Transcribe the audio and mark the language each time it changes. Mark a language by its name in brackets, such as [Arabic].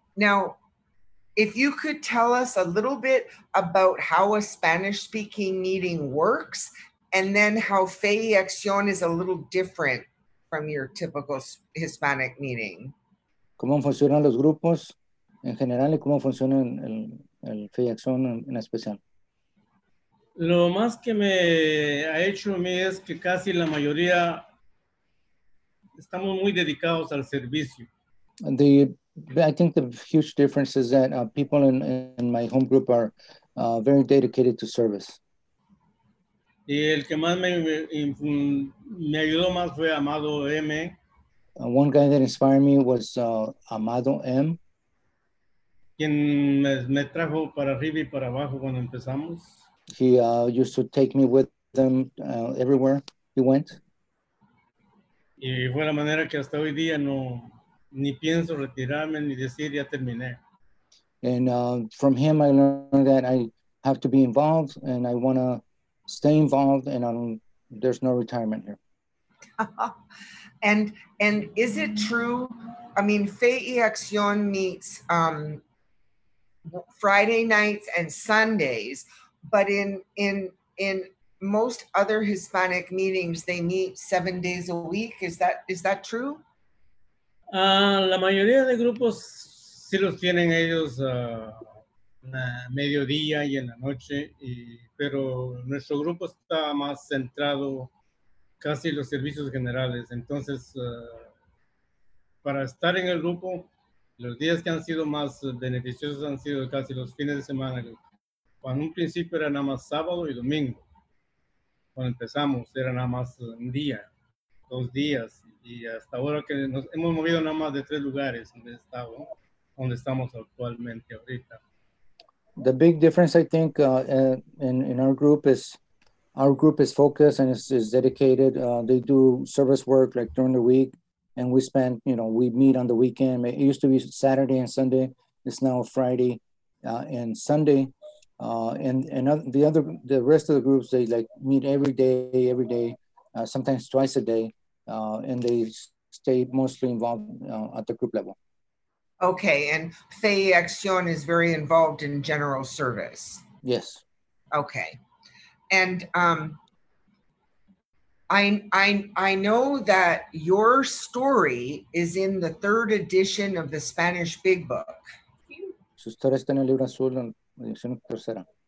[English] Now, if you could tell us a little bit about how a Spanish speaking meeting works, and then how Fe y Acción is a little different from your typical Hispanic meeting. [Spanish] cómo funcionan los grupos en general y cómo funciona el FEIACSON en especial. Lo más que me ha hecho a mí es que casi la mayoría estamos muy dedicados al servicio. [English] I think the huge difference is that people in my home group are very dedicated to service. [Spanish] Y el que más me ayudó más fue Amado M. [English] One guy that inspired me was Amado M. [Spanish] Quien me trajo para arriba y para abajo cuando empezamos. [English] He used to take me with them everywhere he went. [Spanish] Y fue la manera que hasta hoy día no ni pienso retirarme ni decir ya terminé. [English] And from him I learned that I have to be involved and I want to stay involved and there's no retirement here. And is it true, I mean, FEIACSION meets Friday nights and Sundays, but in most other Hispanic meetings, they meet 7 days a week. Is that true? [Spanish] La mayoría de grupos sí los tienen ellos en mediodía y en la noche, pero nuestro grupo está más centrado casi los servicios generales. Entonces, para estar en el grupo, los días que han sido más beneficiosos han sido casi los fines de semana. Cuando un principio era nada más sábado y domingo, cuando empezamos era nada más un día, dos días. Y hasta ahora que nos hemos movido nada más de tres lugares donde estamos actualmente ahorita. [English] The big difference, I think, in our group is focused and is dedicated. They do service work like during the week, and we spend, you know, we meet on the weekend. It used to be Saturday and Sunday. It's now Friday and Sunday. The rest of the groups, they like meet every day, sometimes twice a day, and they stay mostly involved at the group level. Okay, and FEIACSION is very involved in general service. Yes. Okay. And I know that your story is in the third edition of the Spanish Big Book. [Spanish] Su historia está en el libro azul, en la edición tercera.